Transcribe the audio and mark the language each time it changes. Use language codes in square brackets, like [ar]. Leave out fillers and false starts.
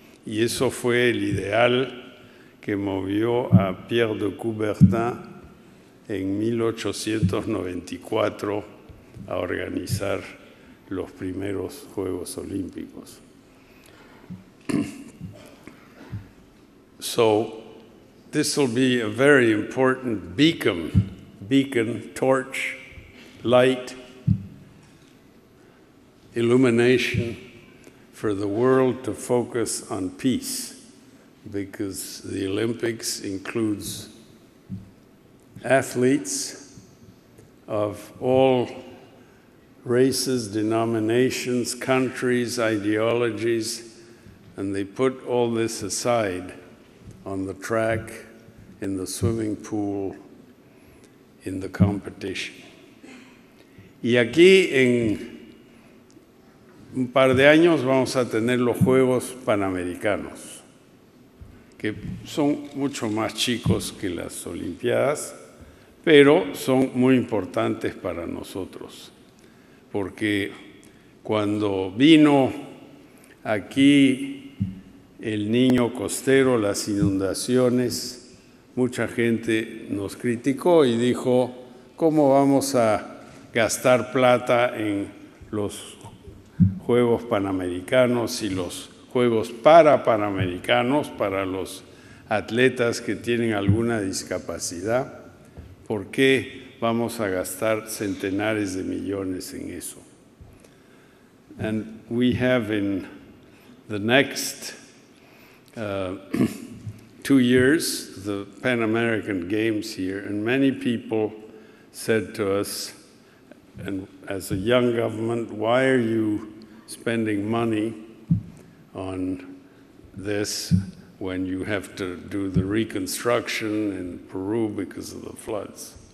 [es] Y eso fue el ideal que movió a Pierre de Coubertin en 1894 a organizar los primeros Juegos Olímpicos. [en] So, this will be a very important beacon, torch, light, illumination for the world to focus on peace, because the Olympics includes athletes of all races, denominations, countries, ideologies, and they put all this aside on the track, in the swimming pool, in the competition. [es] Y aquí en un par de años vamos a tener los Juegos Panamericanos, que son mucho más chicos que las Olimpiadas, pero son muy importantes para nosotros. Porque cuando vino aquí el Niño Costero, las inundaciones, mucha gente nos criticó y dijo, ¿cómo vamos a gastar plata en los Juegos Panamericanos y los Juegos para Panamericanos para los atletas que tienen alguna discapacidad? ¿Por qué vamos a gastar centenares de millones en eso? [en] And we have in the next 2 years the Pan American Games here, and many people said to us, and as a young government, why are you spending money on this when you have to do the reconstruction in Peru because of the floods?